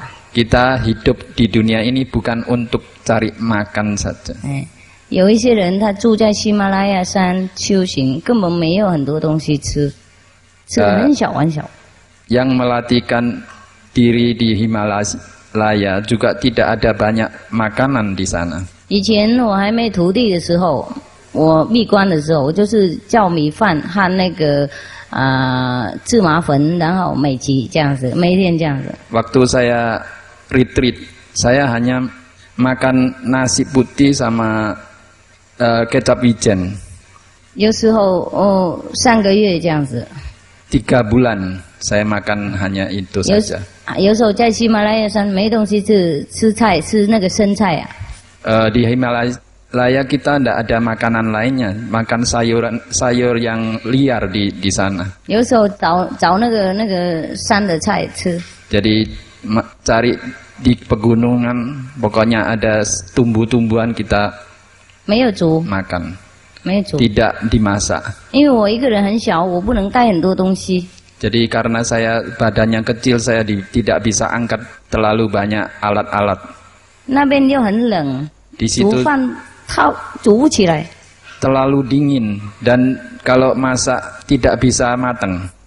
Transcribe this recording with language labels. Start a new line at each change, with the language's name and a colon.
Indonesian: Kita hidup di dunia ini bukan untuk cari makan saja.
Chinese: 有一些人他住在喜马拉雅山修行，根本没有很多东西吃，吃的很小很小。
Indonesian: Yang melatihkan diri di Himalaya juga tidak ada banyak makanan di sana.
Chinese: 以前我还没徒弟的时候，我闭关的时候，我就是叫米饭和那个芝麻粉，然后每集这样子，每天这样子。
Indonesian: Waktu saya retreat Saya hanya makan nasi putih sama kecap wijen.
Chinese: 有时候上个月这样子。
Indonesian: Tiga bulan saya makan hanya itu saja.
Chinese: 有时候在喜马拉雅山没东西吃，吃菜，吃那个生菜啊。
Indonesian: Di Himalaya kita tidak ada makanan lainnya, makan sayur yang liar di sana.
Chinese: 有时候找那个山的菜吃。
Indonesian: Jadi cari di pegunungan, pokoknya ada tumbuh-tumbuhan kita.
Chinese: 没有煮。
Indonesian: Makan.
Chinese: 没有煮。
Indonesian: Tidak dimasak.
Chinese: 因为我一个人很小，我不能带很多东西。
Indonesian: Jadi karena saya badannya kecil, saya tidak bisa angkat terlalu banyak alat-alat.
Chinese: 那边又很冷。
Indonesian: Di situ.
Chinese: 煮饭煮不起来。
Indonesian: Terlalu dingin dan kalau masak tidak bisa matang.